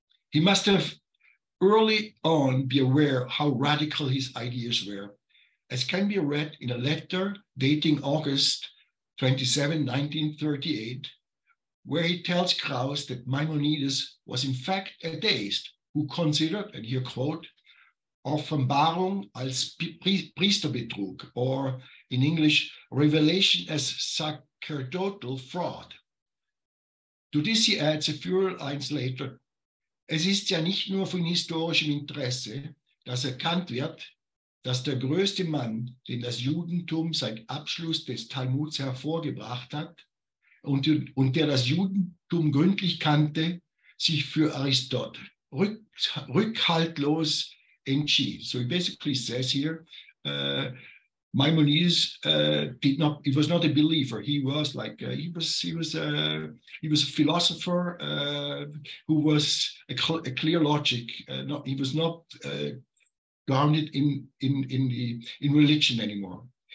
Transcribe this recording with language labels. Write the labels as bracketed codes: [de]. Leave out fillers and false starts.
[en] He must have early on be aware how radical his ideas were, as can be read in a letter dating August 27, 1938, where he tells Kraus that Maimonides was in fact a deist who considered, and here quote, [de] Offenbarung als Priesterbetrug, [en] or in English, revelation as sacerdotal fraud. To this he adds a few lines later, [de] es ist ja nicht nur von historischem Interesse, dass erkannt wird, dass der größte Mann, den das Judentum seit Abschluss des Talmuds hervorgebracht hat und der das Judentum gründlich kannte, sich für Aristot rückhaltlos entschied. [en] So he basically says here, Maimonides was not a believer. He was a philosopher who was a clear logic. He was not grounded in religion anymore.